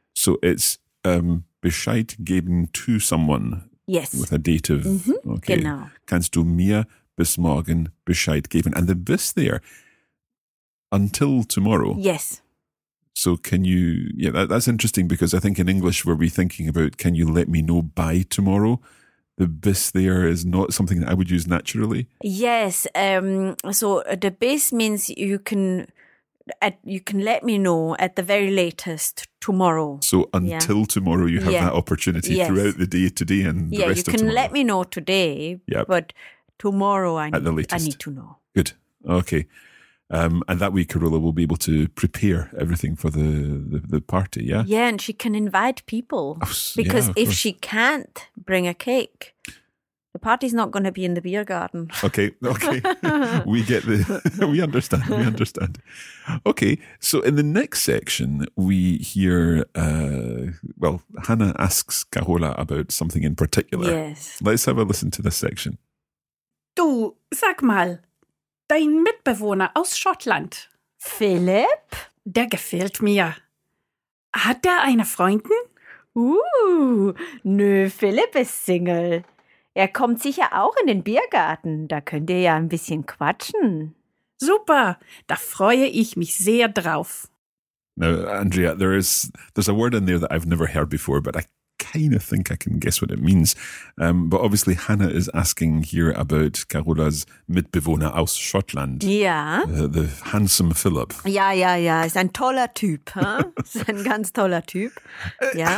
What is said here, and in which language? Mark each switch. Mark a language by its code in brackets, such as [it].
[en] So it's [de] Bescheid geben [en] to someone. Yes. With a date of, mm-hmm. Okay. [de] Genau. Kannst du mir bis morgen Bescheid geben? [en] And the bis there, until tomorrow. Yes. So can you, that's interesting because I think in English we'll be thinking about, can you let me know by tomorrow? The bis there is not something that I would use naturally. Yes. So the bis means you can let me know at the very latest tomorrow. So until tomorrow you have that opportunity throughout the day today and the rest of tomorrow. Yeah, you can let me know today, but tomorrow I need to know. Good. Okay. And that way Carola will be able to prepare everything for the party, yeah? Yeah, and she can invite people. Because if she can't bring a cake, the party's not going to be in the beer garden. Okay. We get the... We understand. Okay, so in the next section, we hear... Hannah asks Carola about something in particular. Yes. Let's have a listen to this section. [de] Du, sag mal... Dein Mitbewohner aus Schottland. Philipp? Der gefällt mir. Hat er eine Freundin? Nö, Philipp ist Single. Er kommt sicher auch in den Biergarten. Da könnt ihr ja ein bisschen quatschen. Super, da freue ich mich sehr drauf. [en] Now, Andrea, there's a word in there that I've never heard before, but I kind of think I can guess what it means. But obviously Hannah is asking here about Carola's [de] Mitbewohner aus Schottland. [en] Yeah. The handsome Philip. [de] Yeah. Ist ein toller Typ. Huh? Ist ein ganz toller Typ. Yeah.